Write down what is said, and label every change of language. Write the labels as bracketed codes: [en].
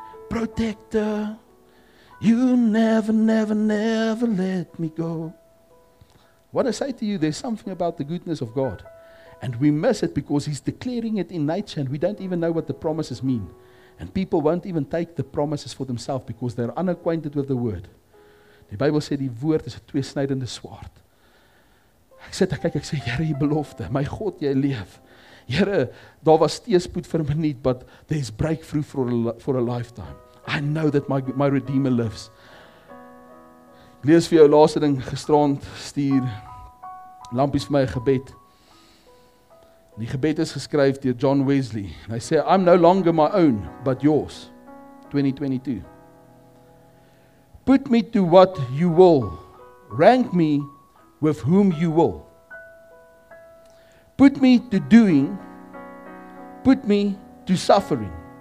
[en] Protector, you never, never, never let me go. What I say to you, there's something about the goodness of God. And we miss it because He's declaring it in nature and we don't even know what the promises mean. And people won't even take the promises for themselves because they're unacquainted with the Word. [af] Die Bybel sê die Woord is 'n tweesnydende swaard. Ek sit en kyk, ek sê, Here, U belofte, my God, Jy leef. Here, daar was teespoed vir 'n minuut, [en] but there's breakthrough for a lifetime. I know that my Redeemer lives. [af] Ek lees vir jou laaste ding gisterand stuur lampies vir my gebed. Die gebed is geskryf deur John Wesley. Hy sê, [en] I'm no longer my own, but yours. 2022. Put me to what you will. Rank me with whom you will. Put me to doing. Put me to suffering.